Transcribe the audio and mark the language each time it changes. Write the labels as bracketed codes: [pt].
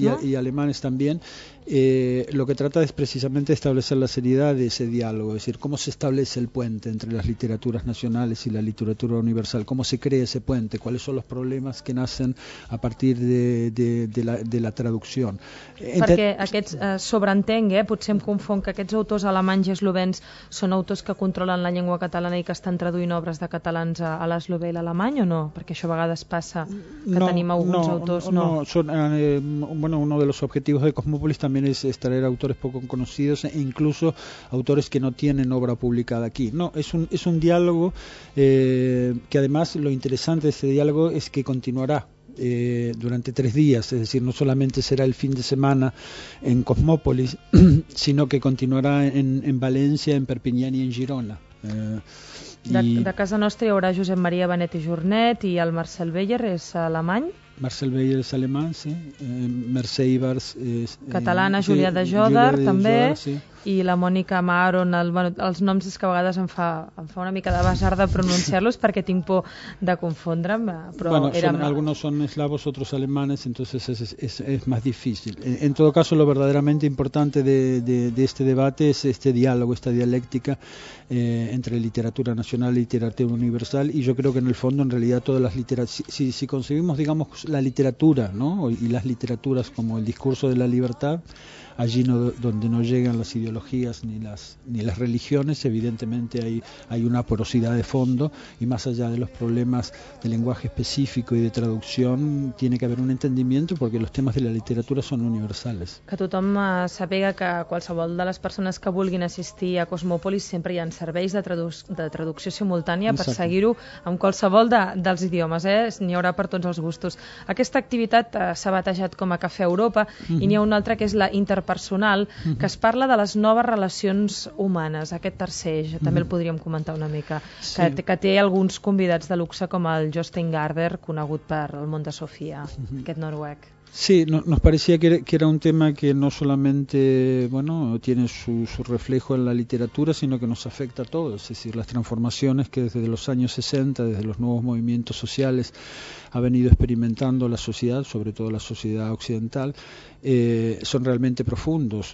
[es] y alemanes también, lo que trata es precisamente establecer la seriedad de ese diálogo, es decir, cómo se establece el puente entre las literaturas nacionales y la literatura universal, cómo se crea ese puente, cuáles son los problemas que nacen a partir de la traducción. [ca] Perquè aquests, sobreentenc, potser em confon, que aquests autors alemanys i eslovens són autors que controlen la llengua catalana i que estan traduint obres de catalans a l'eslové i l'alemany, o no? Perquè això a vegades passa, que tenim alguns autors, no? [es] No, son, bueno, uno de los objetivos de Cosmópolis también es traer autores poco conocidos e incluso autores que no tienen obra publicada aquí. No, es un diálogo que además lo interesante de este diálogo es que continuará durante 3 días, es decir, no solamente será el fin de semana en Cosmópolis, sino que continuará en Valencia, en Perpiñán y en Girona. [ca] De casa nostra hi haurà Josep Maria Benet i Jornet i el Marcel Beyer, és alemany. Marcel Beyer és alemany, sí. Mercè Ibars és... catalana, Julià de Jòdar, també. I la Mònica Maron, els noms és que a vegades em fa una mica de basar de pronunciar-los perquè tinc por de confondre'm. Però bueno, alguns són eslavos, altres alemanes, entonces és més difícil. [es] En tot cas, lo verdaderamente importante de este debate es este diálogo, esta dialéctica entre literatura nacional y literatura universal, y yo creo que en el fondo, en realidad, todas las si concebimos, digamos, la literatura, ¿no?, y las literaturas como el discurso de la libertad, allí no, donde no llegan las ideologías ni las religiones, evidentemente hay una porosidad de fondo, y más allá de los problemas de lenguaje específico y de traducción, tiene que haber un entendimiento, porque los temas de la literatura son universales. [ca] Que tothom sàpiga que qualsevol de les persones que vulguin assistir a Cosmópolis sempre hi ha serveis de traducció simultània. Exacte. Per seguir-ho amb qualsevol dels idiomes, n'hi haurà per tots els gustos. Aquesta activitat s'ha batejat com a Cafè Europa, i n'hi ha una altra que és la interpersonal, que es parla de les noves relacions humanes. Aquest tercer eix, també el podríem comentar una mica, sí, que té alguns convidats de luxe com el Jostein Gaarder, conegut per el món de Sofia, aquest noruec. [es] Sí, nos parecía que era un tema que no solamente, bueno, tiene su reflejo en la literatura, sino que nos afecta a todos. Es decir, las transformaciones que desde los años 60, desde los nuevos movimientos sociales, ha venido experimentando la sociedad, sobre todo la sociedad occidental, son realmente profundos.